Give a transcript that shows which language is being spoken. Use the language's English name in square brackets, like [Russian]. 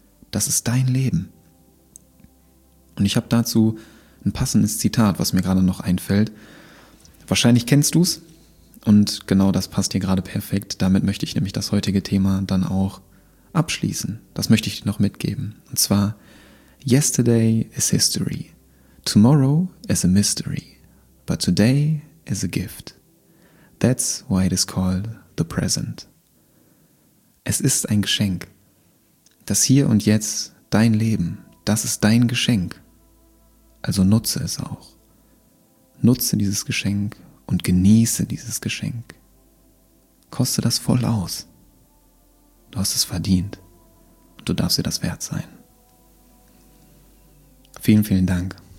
[German] Das ist dein Leben. Und ich habe dazu ein passendes Zitat, was mir gerade noch einfällt. Wahrscheinlich kennst du es und genau das passt dir gerade perfekt. Damit möchte ich nämlich das heutige Thema dann auch abschließen. Das möchte ich dir noch mitgeben. Und zwar, [English] yesterday is history, tomorrow is a mystery, but today is a gift. That's why it is called the present. [German] Es ist ein Geschenk. Das Hier und Jetzt, dein Leben, das ist dein Geschenk. Also nutze es auch. Nutze dieses Geschenk und genieße dieses Geschenk. Koste das voll aus. Du hast es verdient und du darfst dir das wert sein. Vielen, vielen Dank.